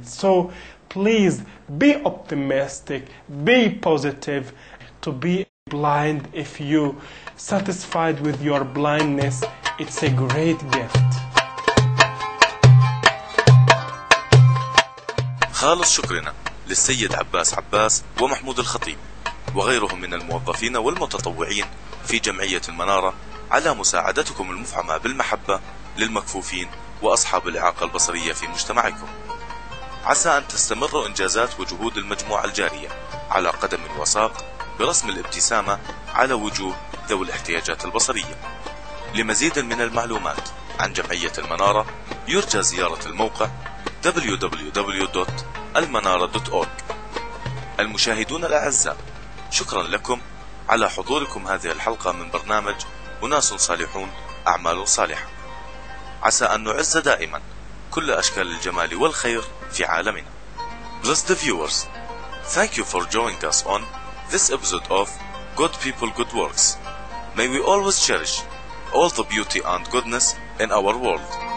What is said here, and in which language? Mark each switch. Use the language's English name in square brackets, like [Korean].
[English] So please be optimistic, be positive, to be blind. If you satisfied with your blindness, it's a great gift. [Arabic] خالص شكرنا للسيد عباس عباس ومحمود الخطيب وغيرهم من الموظفين والمتطوعين في جمعية المنارة على مساعدتكم المفعمة بالمحبة للمكفوفين وأصحاب الإعاقة البصرية في مجتمعكم. عسى أن تستمر إنجازات وجهود المجموعة الجارية على قدم وساق برسم الابتسامة على وجوه ذوي الاحتياجات البصرية. لمزيد من المعلومات عن جمعية المنارة يرجى زيارة الموقع www.almanara.org. المشاهدون الأعزاء، شكرا لكم على حضوركم هذه الحلقة من برنامج أناس صالحون أعمال صالحة. عسى أن نعز دائما كل أشكال الجمال والخير في عالمنا. [English] Blessed viewers, thank you for joining us on this episode of Good People, Good Works. May we always cherish all the beauty and goodness in our world.